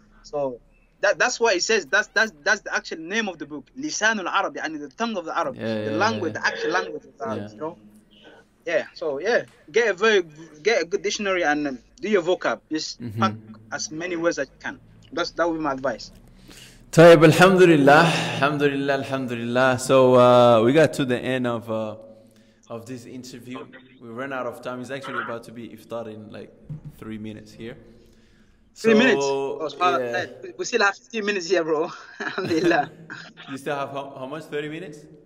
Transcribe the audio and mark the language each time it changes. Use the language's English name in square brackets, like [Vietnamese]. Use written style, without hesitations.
[English] So that's why it says that's the actual name of the book, Lisan al Arab, and the tongue of the Arab, the actual language of the Arab, you know. Yeah, so yeah, get a good dictionary and do your vocab. Just pack as many words as you can. That would be my advice. [Arabic] طيب الحمد لله الحمد لله الحمد لله. [English] So we got to the end of this interview. We ran out of time. It's actually about to be iftar in like 3 minutes here. We still have 15 minutes here, bro. Alhamdulillah. You still have how much? 30 minutes?